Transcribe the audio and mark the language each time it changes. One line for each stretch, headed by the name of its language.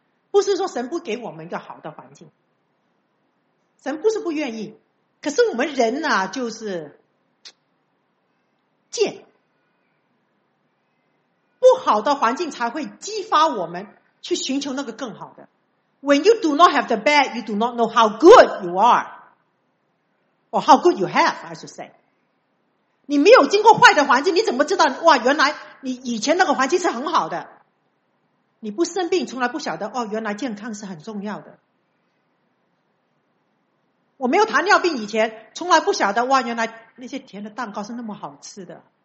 Chinese: 不是说神不给我们一个好的环境，神不是不愿意，可是我们人啊就是贱，不好的环境才会激发我们去寻求那个更好的。
English: When you do not have the bad, you do not know how good you are, or how good you have, I should say.
Chinese: 你没有经过坏的环境，你怎么知道哇原来你以前那个环境是很好的？你不生病从来不晓得哦，原来健康是很重要的。我没有糖尿病以前从来不晓得哇，原来那些甜的蛋糕是那么好吃的。